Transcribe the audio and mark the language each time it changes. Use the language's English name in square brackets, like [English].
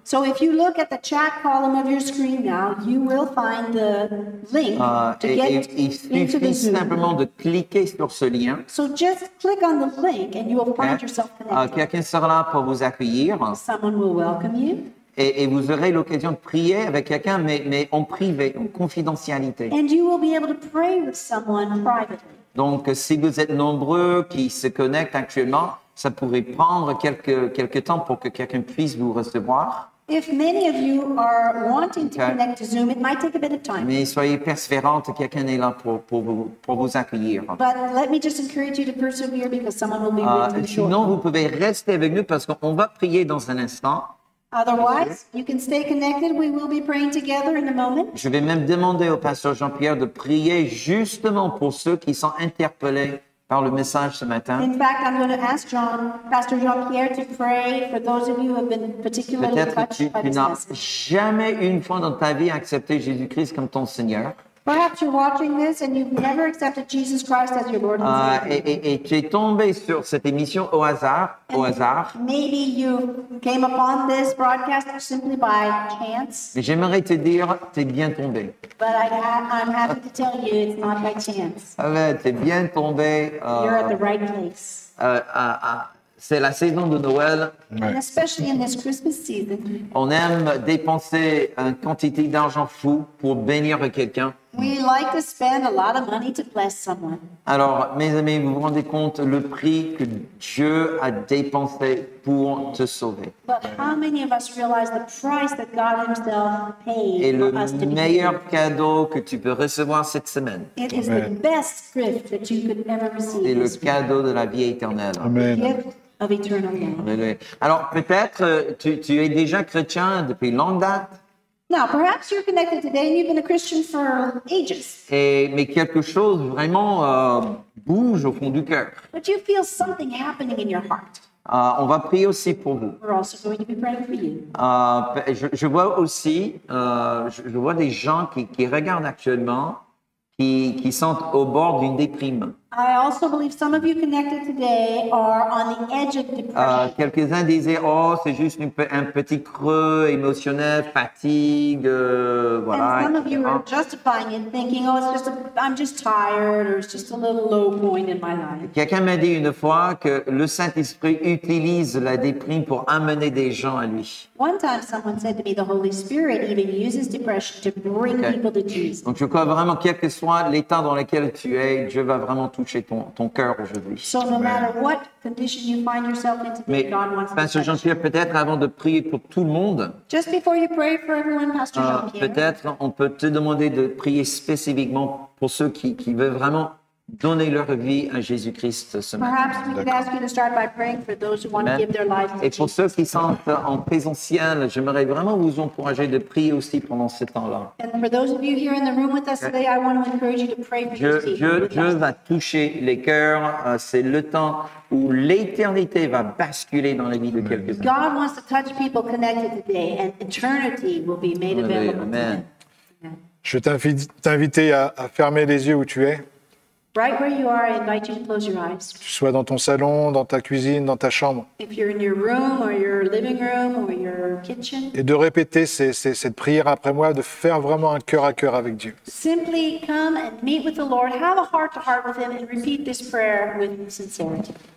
[English] So if you look at the chat column of your screen now, you will find the link to get into the Zoom. [French] Il suffit simplement de cliquer sur ce lien. [English] So just click on the link and you will find yourself connected. [French] Quelqu'un sera là pour vous accueillir. [English] Someone will welcome you. [French] Et vous aurez l'occasion de prier avec quelqu'un, mais en privé, en confidentialité. [English] And you will be able to pray with someone privately. [French] Donc, si vous êtes nombreux qui se connectent actuellement, ça pourrait prendre quelques temps pour que quelqu'un puisse vous recevoir. [English] If many of you are wanting to connect to Zoom, it might take a bit of time. [French] Mais soyez persévérante, quelqu'un est là pour vous accueillir. [English] But let me just encourage you to persevere because someone will be waiting for you. [French] Sinon, vous pouvez rester avec nous parce qu'on va prier dans un instant. [English] Otherwise, you can stay connected. We will be praying together in a moment. [French] Je vais même demander au pasteur Jean-Pierre de prier justement pour ceux qui sont interpellés par le message ce matin. [English] In fact, I'm going to ask Pastor Jean-Pierre to pray for those of you who have been particularly touched by this message. [French] Peut-être que tu n'as jamais une fois dans ta vie accepté Jésus-Christ comme ton Seigneur. [English] Perhaps you're watching this and you've never accepted Jesus Christ as your Lord and Savior. [French] Et tu es tombé sur cette émission au hasard, [English] Maybe you came upon this broadcast simply by chance. [French] Mais j'aimerais te dire, t'es bien tombé. [English] But I'm happy to tell you, it's not by chance. [French] Ah ben, t'es bien tombé. [English] You're at the right place. [French] C'est la saison de Noël. [English] And especially in this Christmas season. [French] On aime dépenser une quantité d'argent fou pour bénir quelqu'un. [English] We like to spend a lot of money to bless someone. [French] Alors, mes amis, vous vous rendez compte le prix que Dieu a dépensé pour te sauver. [English] But how many of us realize the price that God himself paid for us to be? [French] Et le meilleur cadeau que tu peux recevoir cette semaine. [English] It is the best gift that you could ever receive. [French] C'est le cadeau de la vie éternelle. Amen. [English] Of eternal life. [French] Alors peut-être tu es déjà chrétien depuis longue date. [English] Now perhaps you're connected today and you've been a Christian for ages. [French] Mais quelque chose vraiment bouge au fond du cœur. [English] But you feel something happening in your heart. [French] On va prier aussi pour vous. [English] We're also going to be praying for you. [French] Je vois aussi je vois des gens qui regardent actuellement. Qui sont au bord d'une déprime. [English] I also believe some of you connected today are on the edge of depression. [French] Quelques-uns disaient, oh, c'est juste un petit creux émotionnel, fatigue, voilà. [English] And some of you are justifying it, thinking, oh, I'm just tired, or it's just a little low point in my life. [French] Quelqu'un m'a dit une fois que le Saint-Esprit utilise la déprime pour amener des gens à lui. [English] One time someone said to me, the Holy Spirit even uses depression to bring people to Jesus. [French] Donc je crois vraiment, quel que soit l'état dans lequel tu es, Dieu va vraiment toucher ton cœur aujourd'hui. [English] So no matter what condition you find yourself in today, [French] mais, [English] God wants to touch you. [French] Pasteur Jean-Pierre, peut-être avant de prier pour tout le monde, [English] just before you pray for everyone, Pastor Jean-Pierre, [French] peut-être on peut te demander de prier spécifiquement pour ceux qui veulent vraiment donner leur vie à Jésus-Christ ce matin. [English] Perhaps we could ask you to start by praying for those who want to give their lives to Jesus. [French] Et pour ceux qui sont en présentiel, j'aimerais vraiment vous encourager de prier aussi pendant ce temps-là. [English] And for those of you here in the room with us today, I want to encourage you to pray for [French] Dieu va toucher les cœurs. C'est le temps où l'éternité va basculer dans la vie de quelques-uns. [English] God wants to touch people connected today, and eternity will be made available to them. Amen. [French] Je t'invite à fermer les yeux où tu es. [English] Right where you are, I invite you to close your eyes. [French] Que tu sois dans ton salon, dans ta cuisine, dans ta chambre. [English] If you're in your room or your living room or your kitchen. [French] Et de répéter cette prière après moi, de faire vraiment un cœur à cœur avec Dieu. [English] Simply come and meet with the Lord, have a heart to heart with Him, and repeat this prayer with sincerity.